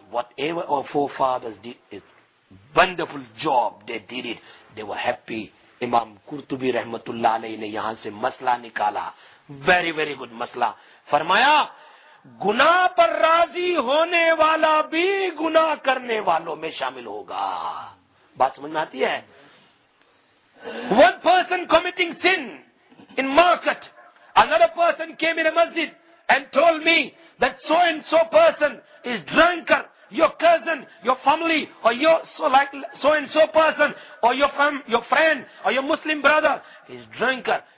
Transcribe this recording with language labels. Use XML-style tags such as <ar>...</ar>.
<en>Whatever our forefathers did, it, wonderful job they did it. They were happy.</en> <ur>امام قرطبی رحمت اللہ علیہ نے یہاں سے مسئلہ نکالا.</ur> <en>Very very good مسئلہ.</en> <ur>فرمایا گناہ پر راضی ہونے والا بھی گناہ کرنے والوں میں شامل ہوگا. بات سمجھ میں آتی ہے؟</ur> <en>One person committing sin in market, another person came in a masjid and told me that so and so person is drunker, your cousin, your family, or your so and so person, or your friend, or your Muslim brother is drunker.</en>